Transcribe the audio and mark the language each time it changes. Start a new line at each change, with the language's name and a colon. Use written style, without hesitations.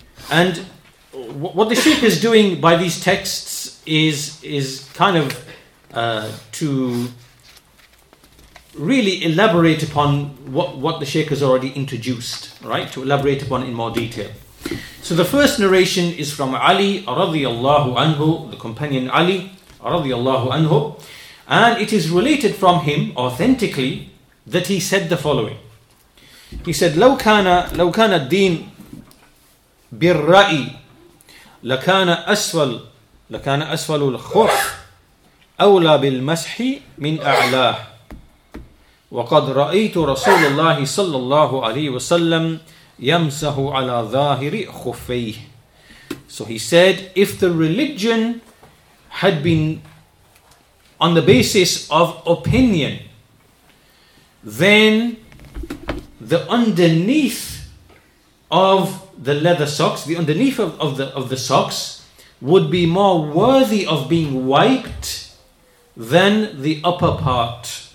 English: And what the Shaykh is doing by these texts is kind of to really elaborate upon what the Shaykh has already introduced, right? To elaborate upon in more detail. So the first narration is from Ali radiallahu anhu, the companion Ali radiallahu anhu, and it is related from him authentically that he said the following. He said,
Arabic: لو كان الدين بالرأي لكان أسفل الخف أولى بالمسح من أعلاه. وقد رأيت رسول الله صلى الله عليه وسلم يَمْسَهُ عَلَى ظَاهِرِ خُفَيْهِ.
English: So he said, if the religion had been on the basis of opinion, then the underneath of the leather socks, the underneath of the socks would be more worthy of being wiped than the upper part.